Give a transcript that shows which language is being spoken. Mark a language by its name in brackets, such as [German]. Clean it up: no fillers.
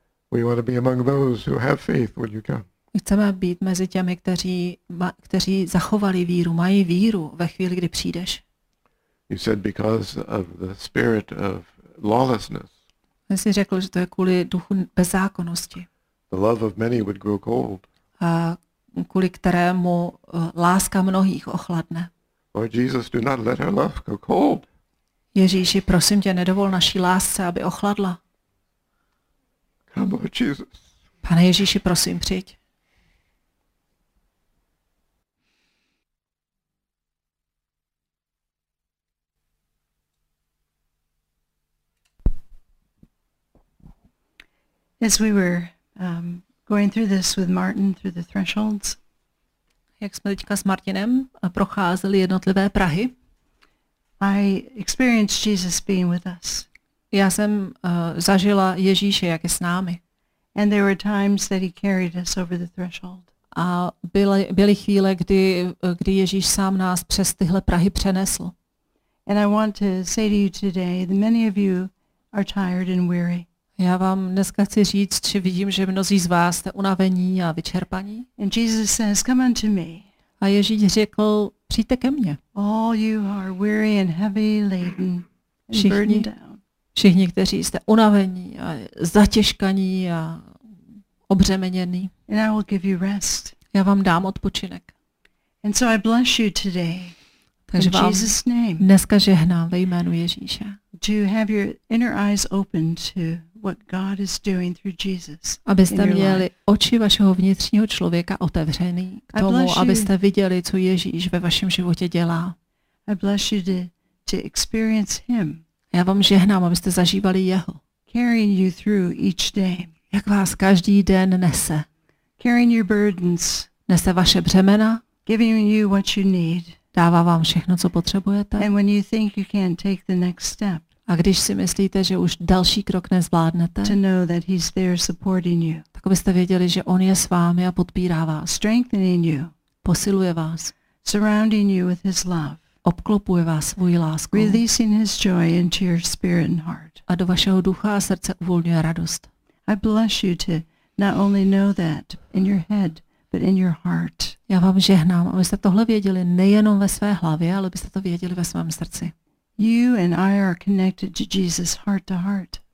[English] We want to be among those who have faith when you come. [Czech] My chceme být mezi těmi, kteří zachovali víru, mají víru ve chvíli, kdy přijdeš. [English] You said because of the spirit of lawlessness. [Czech] Ty jsi řekl, že to je kvůli duchu bezzákonnosti. [English] The love of many would grow cold. [Czech] A kvůli kterému láska mnohých ochladne. [English] Lord Jesus, do not let our love grow cold. [Czech] Ježíši, prosím tě, nedovol naší lásce, aby ochladla. [English] Come, Lord Jesus. [Czech] Pane Ježíši, prosím, přijď. [English] As we were going through this with Martin through the thresholds. [Czech] Jak jsme teďka s Martinem procházeli jednotlivé prahy. [English] I experienced Jesus being with us. [Czech] Já jsem zažila Ježíše, jak je s námi. [English] And there were times that he carried us over the threshold. [Czech] A byly chvíle, kdy Ježíš sám nás přes tyhle prahy přenesl. [English] And I want to say to you today that many of you are tired and weary. [Czech] Já vám dneska chci říct, že vidím, že mnozí z vás jste unavení a vyčerpaní. [English] And Jesus says, come unto me. [Czech] A Ježíš řekl, přijďte ke mně. [English] All you are weary and heavy laden and burdened down. [Czech] Všichni, kteří jste unavení a zatěžkaní a obřemenění. [English] And I will give you rest. [Czech] Já vám dám odpočinek. [English] And so I bless you today. [Czech] Takže [English] in Jesus name. [Czech] Dneska žehnám ve jménu Ježíše. [English] To have your inner eyes open to what God is doing through Jesus. [Czech] Abyste měli oči vašeho vnitřního člověka otevřený k tomu, abyste viděli, co Ježíš ve vašem životě dělá. [English] I bless you to experience him. [Czech] Já vám žehnám, abyste zažívali jeho. [English] Carrying you through each day. [Czech] Jak vás každý den nese. [English] carrying your burdens, [Czech] nese vaše břemena, [English] giving you what you need, [Czech] dává vám všechno, co potřebujete. [English] And when you think you can't take the next step, [Czech] a když si myslíte, že už další krok nezvládnete, [English] to know that he's there supporting you, [Czech] tak byste věděli, že on je s vámi a podpírá vás, [English] strengthening you, [Czech] posiluje vás, [English] surrounding you with his love, [Czech] obklopuje vás svou láskou, [English] releasing his joy into your spirit and heart, [Czech] a do vašeho ducha a srdce uvolňuje radost. [English] I bless you to not only know that in your head, but in your heart. [Czech] Já vám žehnám, abyste tohle věděli nejenom ve své hlavě, ale abyste to věděli ve svém srdci. [English] You and I are connected to Jesus heart to heart.